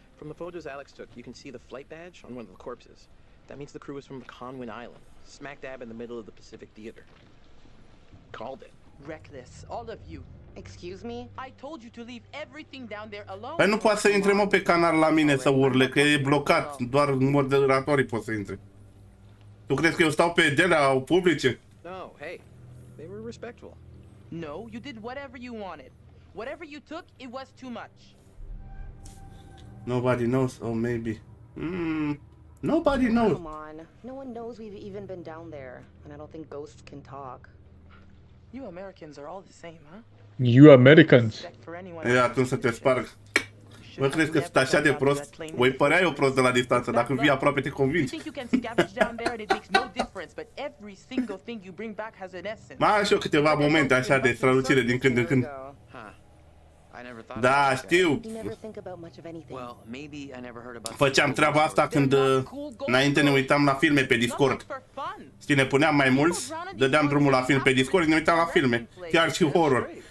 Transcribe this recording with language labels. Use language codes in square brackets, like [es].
[en] From the photos Alex took, you can see the flight badge on one of the corpses. That means the crew was from Conwin Island, smack dab in the middle of the Pacific Theater. Called it. Reckless, all of you. Excuse me? I told you to leave everything down there alone. [ro] Păi nu poate să intre, mă, pe canal la mine să urle, că e blocat. Doar moderatorii pot să intre. Tu crezi că eu stau pe delea publice? [en] No, hey, they were respectful. No, you did whatever you wanted. Whatever you took, it was too much. Nobody knows, or maybe. Nobody knows. Come on, no one knows we've even been down there, and I don't think ghosts can talk. You Americans are all the same, huh? You Americans. [ro] Yeah, atunci să te sparg. Mă crezi că sunt așa de prost? Voi părea eu prost de la distanță, dacă vii aproape te convinci. [en] You think you can scavenge down there and it makes no difference, but every single thing you bring back has an essence. [ro] Mai așa câteva momente așa de strălucire din când în când. Da, știu. [en] Well, maybe I never heard about. [ro] Făceam treaba asta când înainte ne uitam la filme pe Discord. Știi, ne puneam mai mulți, dădeam drumul la film pe Discord și ne uitam la filme, chiar și horror.